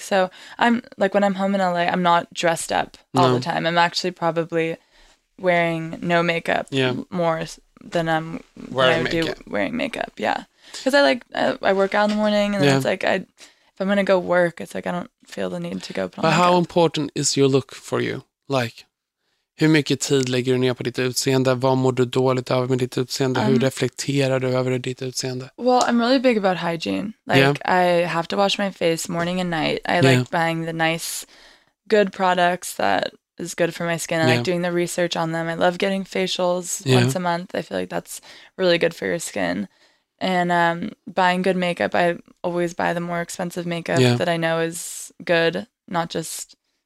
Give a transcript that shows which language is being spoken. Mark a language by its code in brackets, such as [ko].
[en] So I'm like, when I'm home in LA, I'm not dressed up all the time. I'm actually probably wearing no makeup more than I'm wearing makeup. Yeah. Because I work out in the morning and then it's like, if I'm going to go work, it's like, I don't feel the need to go put on makeup. But how important is your look for you? [sv] Like, hur mycket tid lägger du ner på ditt utseende? Vad mår du dåligt över med ditt utseende? Hur reflekterar du över ditt utseende? [en] Well, I'm really big about hygiene. Like, I have to wash my face morning and night. I like buying the nice, good products that is good for my skin. I like doing the research on them. I love getting facials once a month. I feel like that's really good for your skin. And buying good makeup, I always buy the more expensive makeup that I know is good, not just...